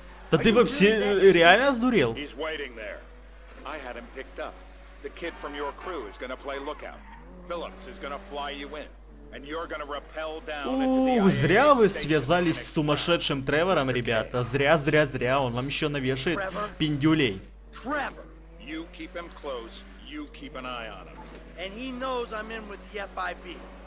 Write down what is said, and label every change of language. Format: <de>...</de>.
<ru>Да ты вообще реально сдурел?</ru> <en>He's waiting there. I had him picked up. The kid from your crew is gonna play lookout. Phillips is gonna fly you in. And you're gonna rappel down into the IAA.</en> <ru>Зря вы связались с сумасшедшим Тревором, ребята. Зря. Он вам еще навешает пиндюлей. Тревор!</ru> <en>You keep him close. You keep an eye on him. And he knows I'm in with the FIB.</en>